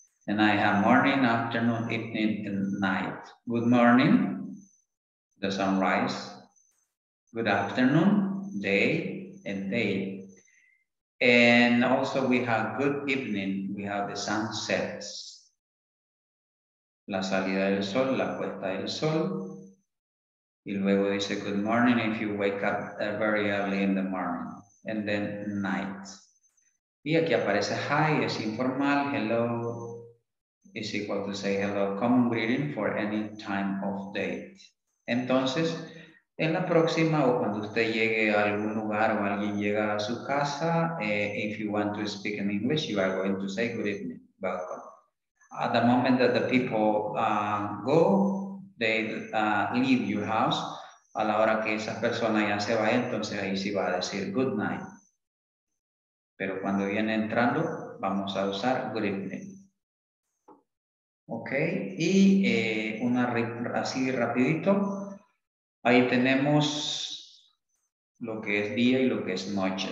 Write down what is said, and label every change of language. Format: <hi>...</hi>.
<en>And I have morning, afternoon, evening, and night. Good morning, the sunrise. Good afternoon, day, and day. And also we have good evening, we have the sunsets.</en> <es>La salida del sol, la puesta del sol. Y luego dice</es> <en>good morning if you wake up very early in the morning. And then night.</en> <es>Y aquí aparece hi, es informal.</es> <en>Hello is equal to say hello. Common greeting for any time of day.</en> <es>Entonces, en la próxima o cuando usted llegue a algún lugar o alguien llega a su casa,</es> <en>if you want to speak in English, you are going to say good evening, welcome. At the moment that the people go, they leave your house.</en> <es>A la hora que esa persona ya se va, entonces ahí sí va a decir good night. Pero cuando viene entrando, vamos a usar good evening. Ok, y una así rapidito. Ahí tenemos lo que es día y lo que es noche.</es>